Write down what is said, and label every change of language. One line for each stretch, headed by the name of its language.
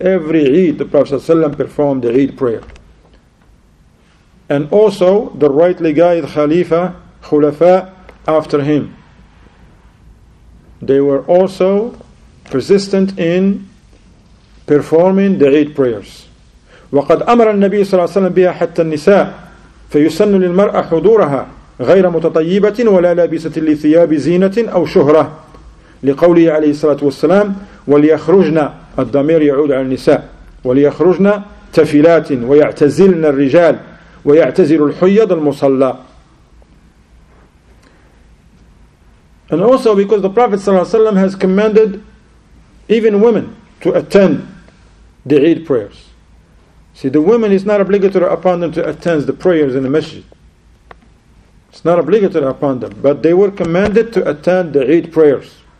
English: Every Eid, the Prophet sallallahu alaihi wasallam performed the Eid prayer. And also, the rightly guided Khalifa, Khulafa, after him, they were also persistent in performing the eight prayers.
Arabic: وقد أمر النبي صلى الله عليه وسلم بها حتى النساء فيسن للمرأة حضورها غير متطيبة ولا لابسة لثياب زينة أو شهرة لقوله عليه الصلاة والسلام وليخرجنا الضمير يعود على النساء وليخرجنا تفلات ويعتزلن الرجال ويعتزل الحيض المصلى.
English: And also because the Prophet ﷺ has commanded even women to attend the Eid prayers. See, the women, it's not obligatory upon them to attend the prayers in the masjid. It's not obligatory upon them. But they were commanded to attend the Eid prayers.